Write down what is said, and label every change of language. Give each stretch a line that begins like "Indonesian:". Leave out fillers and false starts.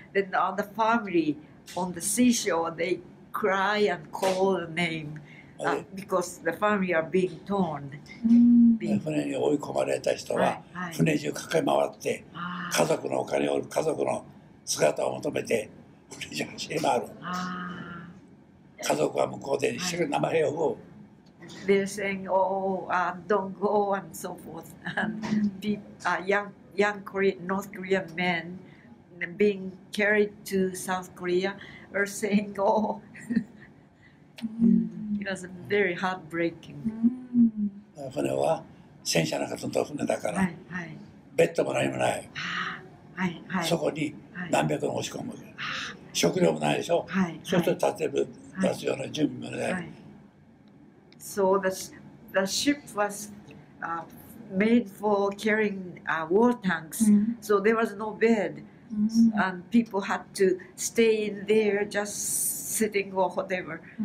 English: Then on the family on the seashore, they cry and call a name because the family are being torn.
Japanese: 船に追い込まれた人は船中駆け回って家族のお金を家族の姿を求めて船中走り回る。家族は向こうで一緒に名前を呼ぶ。
English: They're saying, oh, don't go, and so forth. And young North Korean men being carried to South Korea are saying, oh, it was very heartbreaking.
Japanese: 船は戦車の方の船だから、ベッドも何もない。そこに何百人押し込む。食料もないでしょ。そして立てる、立つような準備もない。
English: So the ship was made for carrying war tanks, so there was no bed, and people had to stay in there just sitting or whatever.